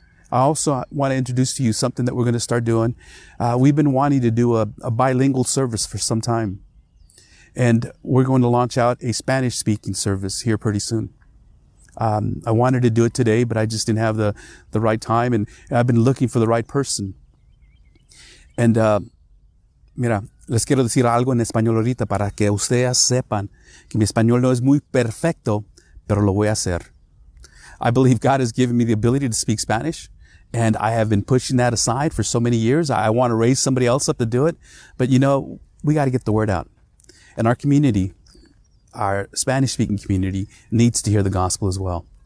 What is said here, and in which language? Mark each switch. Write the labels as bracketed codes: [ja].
[en] I also want to introduce to you something that we're going to start doing. We've been wanting to do a bilingual service for some time. And we're going to launch out a Spanish-speaking service here pretty soon. I wanted to do it today, but I just didn't have the right time. And I've been looking for the right person. [es] And mira, les quiero decir algo en español ahorita para que ustedes sepan que mi español no es muy perfecto, pero lo voy a hacer. [en] I believe God has given me the ability to speak Spanish. And I have been pushing that aside for so many years. I want to raise somebody else up to do it. But you know, we got to get the word out. And our community, our Spanish-speaking community, needs to hear the gospel as well.